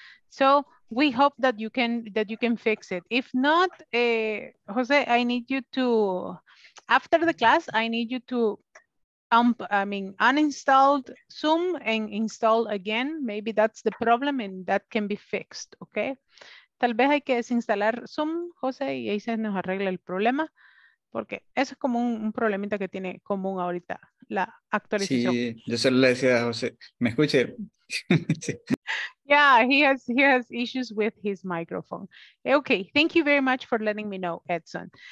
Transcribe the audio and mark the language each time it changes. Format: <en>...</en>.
<en>So, we hope that you can fix it. If not, Jose, I need you to, after the class, I need you to uninstall Zoom and install again. Maybe that's the problem and that can be fixed, okay?</en> <es>Tal vez hay que desinstalar Zoom, Jose, y ahí se nos arregla el problema, porque eso es como un problemita que tiene común ahorita, la actualización. Sí, yo solo le decía a Jose, me escuche.</es> <en>Yeah, he has issues with his microphone. Okay, thank you very much for letting me know, Edson.</en>